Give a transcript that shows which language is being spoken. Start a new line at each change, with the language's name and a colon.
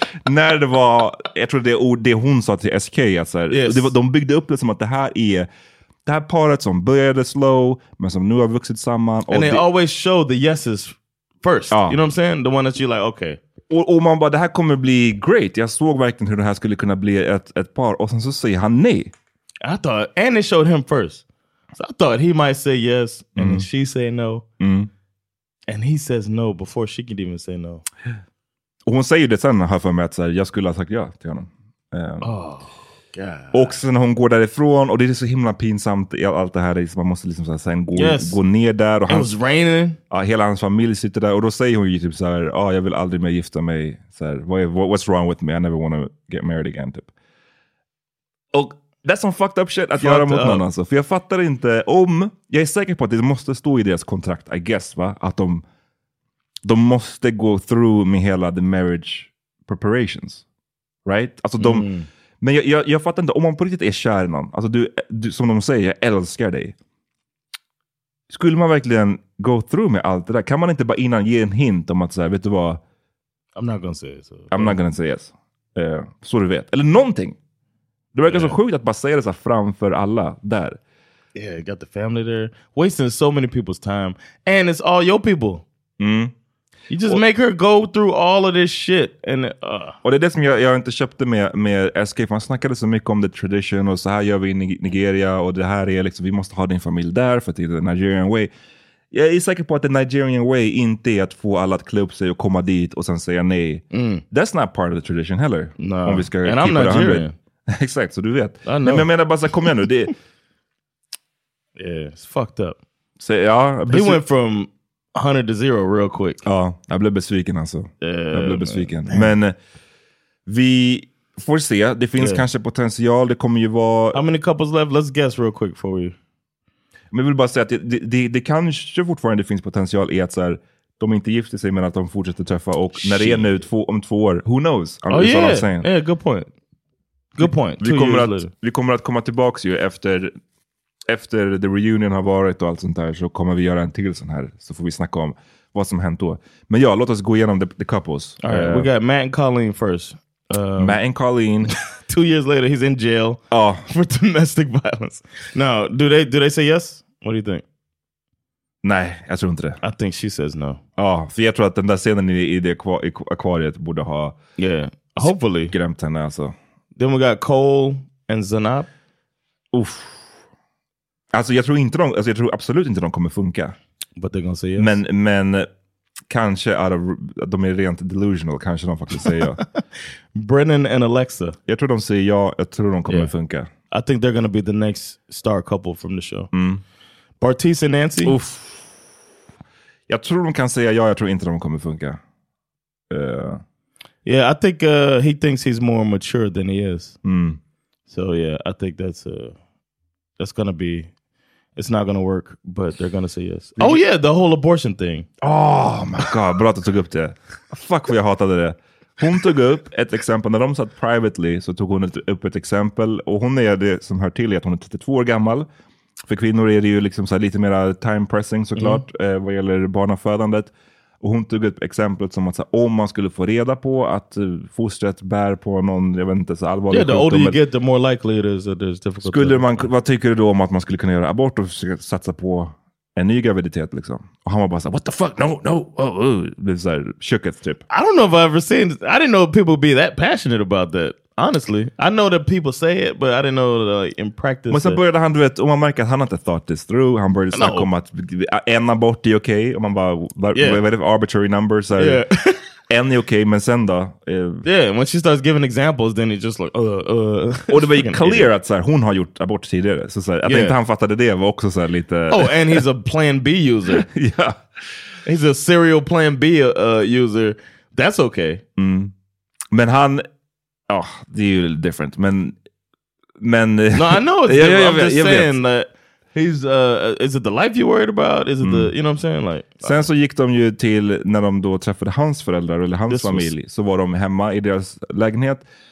Swedish: när det var, jag tror det hon sa till SK, alltså,
English: yes.
Swedish: Det var, de byggde upp det som att det här paret som började slow, men som nu har vuxit samman.
English: Och they always show the yeses first. Ja. You know what I'm saying? The one that you like, okay.
Swedish: Och man bara, det här kommer bli great. Jag såg verkligen hur det här skulle kunna bli ett par. Och sen så säger han nej.
English: I thought, and they showed him first. So I thought he might say yes, and mm. she say no. Mm. And he says no before she can even say no.
Swedish: Och hon säger det sen, här för mig, att så här, jag skulle ha sagt ja till honom.
English: God.
Swedish: Och sen hon går därifrån, och det är så himla pinsamt i allt det här. Man måste liksom så här, sen gå ner där. Och
English: han, it was raining.
Swedish: Ja, hela hans familj sitter där. Och då säger hon ju typ så här, jag vill aldrig mer gifta mig. Så här,
English: what's wrong with me? I never want to get married again.
Swedish: Typ. Och
English: that's some fucked up shit
Swedish: att göra mot någon alltså. För jag fattar inte om, jag är säker på att det måste stå i deras kontrakt,
English: I guess,
Swedish: va? Att de måste gå through med hela
English: the marriage preparations.
Swedish: Right? Alltså de... Mm. Men jag fattar inte, om man på riktigt är kär i någon, alltså du, som de säger, jag älskar dig. Skulle man verkligen
English: go through
Swedish: med allt det där? Kan man inte bara innan ge en hint om att så här, vet du vad?
English: I'm not gonna say it. So. I'm not gonna say yes.
Swedish: Så du vet. Eller någonting. Det verkar så sjukt att bara säga det så här framför alla där.
English: Yeah, you got the family there. Wasting so many people's time. And it's all your people. Mm. You just make her go through all of this shit. And,
Swedish: Och det är det som jag inte köpte med SK. För han snackade så mycket om
English: the tradition.
Swedish: Och så här gör vi i Nigeria. Och det här är liksom, vi måste ha din familj där. För att det är
English: the Nigerian way.
Swedish: Jag är säker på att the Nigerian way inte är att få alla att klä upp sig och komma dit. Och sen säga nej. Mm.
English: That's not part of the tradition heller. No.
Swedish: Om vi ska
English: and I'm Nigerian.
Swedish: Exakt, så du vet. Nej, men jag menar bara så här, kom igen nu. Det...
English: Yeah, it's fucked up.
Swedish: Så, ja,
English: he went from 100 to 0 real quick.
Swedish: Ja, jag blev besviken alltså.
English: Yeah,
Swedish: jag blev besviken. Men vi får se. Det finns kanske potential. Det kommer ju vara...
English: How many couples left? Let's guess real quick for you.
Swedish: Men jag vill bara säga att det kanske fortfarande finns potential i att så här, de inte gifter sig men att de fortsätter träffa. Och när det är nu om två år,
English: who knows? Oh, yeah, good point. Good point.
Swedish: Vi kommer att komma tillbaks ju efter
English: the reunion
Swedish: har varit och allt sånt där, så kommer vi göra en till sån här, så får vi snacka om vad som hänt då. Men ja, låt oss gå igenom
English: the couples. All right, we got Matt and Colleen first. Matt and Colleen. 2 years later, he's in jail for domestic violence. Now, do they say yes? What do you think?
Swedish: Nej, jag tror inte det.
English: I think she says no.
Swedish: Ja, för jag tror att den där scenen i det akvariet borde ha
English: hopefully
Swedish: skrämt henne alltså.
English: Then we got Cole and Zainab. Oof.
Swedish: Alltså jag tror inte de, alltså jag tror absolut inte de kommer funka.
English: But they're gonna say yes.
Swedish: Men kanske de är rent delusional, kanske de faktiskt säger ja.
English: Brennan and Alexa.
Swedish: Jag tror de säger ja, jag tror de kommer funka.
English: I think they're gonna be the next star couple from the show. Mm. Bartice and Nancy. Oof.
Swedish: Jag tror de kan säga ja, jag tror inte de kommer funka.
English: Yeah, I think he thinks he's more mature than he is. Mm. So yeah, I think that's gonna be, it's not gonna work, but they're gonna say yes. Oh yeah, the whole abortion thing. Oh my god,
Swedish: bra att du tog upp det. Fuck vad jag hatade det. Hon tog upp ett exempel, när de satt privately så tog hon upp ett exempel. Och hon är det som hör till att hon är 32 år gammal. För kvinnor är det ju liksom så här lite mer
English: time pressing
Swedish: såklart, vad gäller barnafödandet. Och hon tog ett exempel som att så här, om man skulle få reda på att fostret bär på någon, jag vet inte, så allvarlig sjukdom.
English: Yeah, the older you get, the more likely it is that it's difficult.
Swedish: Skulle man, vad tycker du då om att man skulle kunna göra abort och satsa på en ny graviditet liksom. Och han var bara så
English: what the fuck,
Swedish: det är så här, shooketh typ.
English: I don't know if I ever seen this. I didn't know people be that passionate about that. Honestly, I know that people say it, but I didn't know that, like, in practice.
Swedish: Men så började han, du vet, och man märker att han inte
English: thought this through.
Swedish: Han började snacka om att en abort är okej. Och man bara,
English: what if arbitrary numbers are... Yeah.
Swedish: En är okej, men sen då?
English: Yeah, when she starts giving examples, then it's just like,
Swedish: Och det var ju clear att så här, hon har gjort abort tidigare. Så, så här, att inte han fattade det var också så här lite...
English: Oh, and he's a plan B user. Yeah. He's a serial plan B user. That's okay.
Swedish: Mm. Men han... Oh, det är ju different, men... Men...
English: No, I know it's different. I'm just saying that... He's is it the life you worried about? Is it the, you know what I'm saying, like?
Swedish: Sen så gick de ju till, när de då träffade hans föräldrar eller hans familj, was... så var de hemma i deras lägenhet.